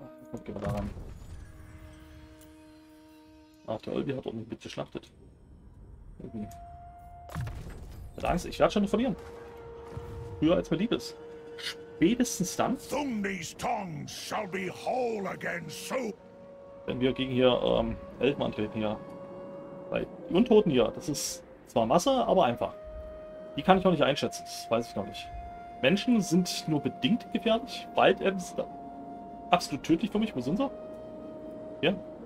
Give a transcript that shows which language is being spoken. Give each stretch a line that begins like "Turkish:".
German: Kommt gehen wir da ran. Ach, der Olbi hat auch ein bisschen geschlachtet. Mit Angst, ich werde schon verlieren. Früher als mir lieb ist. Spätestens dann.
English: Thumni's tongues shall be whole again soon.
German: Wenn wir gegen hier Elfen antreten hier. Weil die Untoten hier, das ist zwar Masse, aber einfach. Die kann ich noch nicht einschätzen, das weiß ich noch nicht. Menschen sind nur bedingt gefährlich. Bald ist absolut tödlich für mich, wo sind sie? Hier.